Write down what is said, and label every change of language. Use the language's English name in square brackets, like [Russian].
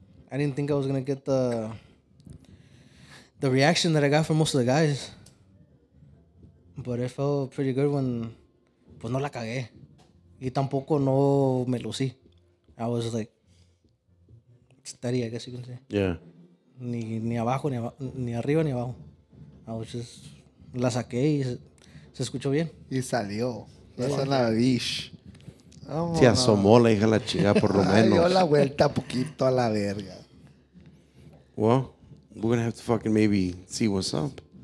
[English] I didn't think I was gonna get the reaction that I got from most of the guys. But it felt pretty good when... [Spanish] Pues no la cagué. Y tampoco no me lucí. [English] I was like, steady, I guess you can say. Yeah. [Spanish] Ni abajo, ni arriba, ni abajo. [English] I was just, [Spanish] la saqué y se escuchó bien. Y salió. Esa es la bish. Se asomó la hija la chica, por lo menos. Dio la vuelta poquito a la verga. [English] Well, we're gonna have to fucking maybe see what's up.